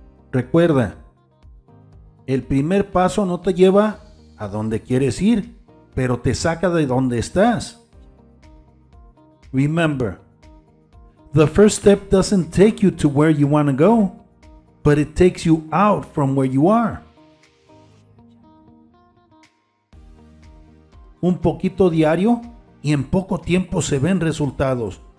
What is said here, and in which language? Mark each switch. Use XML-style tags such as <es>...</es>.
<es>Recuerda, el primer paso no te lleva a donde quieres ir, pero te saca de donde estás.</es> <en>Remember, the first step doesn't take you to where you want to go, but it takes you out from where you are.</en> <es>Un poquito diario y en poco tiempo se ven resultados.</es>